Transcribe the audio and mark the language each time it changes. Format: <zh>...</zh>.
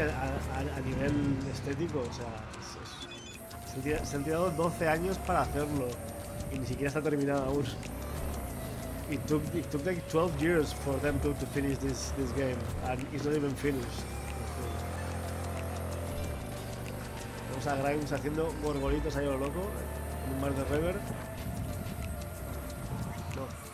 <es>A nivel estético, o sea, se han tirado 12 años para hacerlo. Y ni siquiera está terminado aún.</es> <en>It took like 12 years for them to finish this game, and it's not even finished.</en> <es>Vamos a Grimes haciendo gorgolitos ahí a lo loco, en un mar de reverb. No.</es>